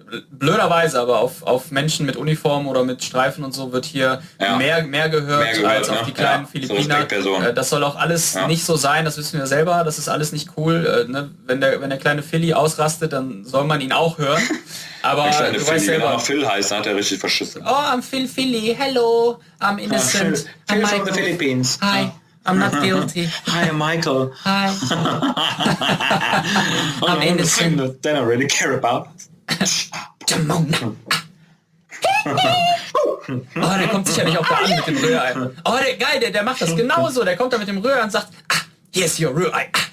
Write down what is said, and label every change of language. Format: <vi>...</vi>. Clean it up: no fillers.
<de>blöderweise, aber auf Menschen mit Uniform oder mit Streifen und so wird hier mehr gehört als, ne, auf die kleinen, ja, Philippiner. So, das soll auch alles, ja, nicht so sein, das wissen wir selber, das ist alles nicht cool. Ne? Wenn der kleine Philly ausrastet, dann soll man ihn auch hören. Aber du Philly, weißt selber, wenn er noch Phil heißt, dann hat er richtig verschissen.</de> <en>Oh, I'm Phil Philly, hello, I'm innocent. Phil from the Philippines. Hi. Ja. I'm not guilty. Hi, Michael. Hi. I'm innocent. The thing that I really care about. Damona.</en> <de>Oh, der kommt sicherlich auch da an mit dem Rührei. Oh, der, geil, der macht das genauso. Der kommt da mit dem Rührei und sagt, ah,</de> <en>here's your</en> <de>Rührei.</de>